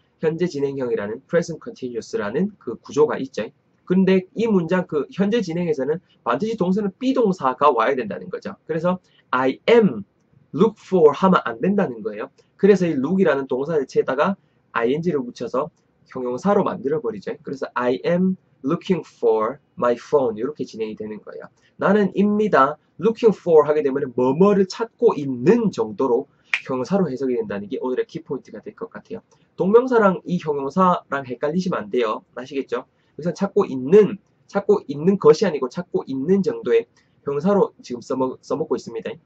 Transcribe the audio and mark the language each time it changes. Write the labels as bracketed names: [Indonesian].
[Korean] 현재 진행형이라는 present continuous라는 그 구조가 있죠. 근데 이 문장 그 현재 진행에서는 반드시 동사는 be 동사가 와야 된다는 거죠. 그래서 I am look for 하면 안 된다는 거예요. 그래서 이 look이라는 동사 대체에다가 ing를 붙여서 형용사로 만들어 버리죠. [English] 그래서 I am looking for my phone [Korean] 이렇게 진행이 되는 거예요. 나는 입니다. looking for 하게 되면 뭐뭐를 찾고 있는 정도로 형용사로 해석이 된다는 게 오늘의 키포인트가 될것 같아요. 동명사랑 이 형용사랑 헷갈리시면 안 돼요. 아시겠죠? 여기서 찾고 있는 것이 아니고 찾고 있는 정도의 형용사로 지금 써먹고 있습니다.